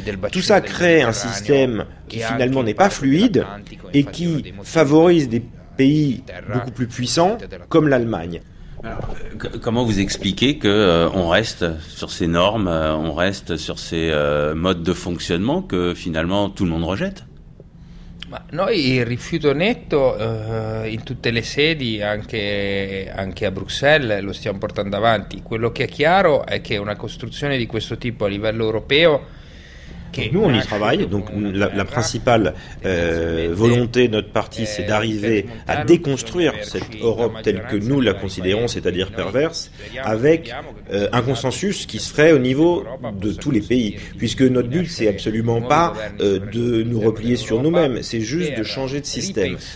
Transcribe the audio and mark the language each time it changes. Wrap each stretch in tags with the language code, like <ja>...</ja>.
<fr>Tout ça crée un système qui finalement n'est pas fluide et qui favorise des pays beaucoup plus puissants comme l'Allemagne. Alors, comment vous expliquez que on reste sur ces normes, on reste sur ces modes de fonctionnement que finalement tout le monde rejette?</fr> <it>Ma noi il rifiuto netto in tutte le sedi, anche a Bruxelles, lo stiamo portando avanti. Quello che è chiaro è che una costruzione di questo tipo a livello europeo.</it> <fr>Nous, on y travaille. Donc, la principale volonté de notre parti, c'est d'arriver à déconstruire cette Europe telle que nous la considérons, c'est-à-dire perverse, avec un consensus qui se ferait au niveau de tous les pays. Puisque notre but, c'est absolument pas de nous replier sur nous-mêmes, c'est juste de changer de système.</fr>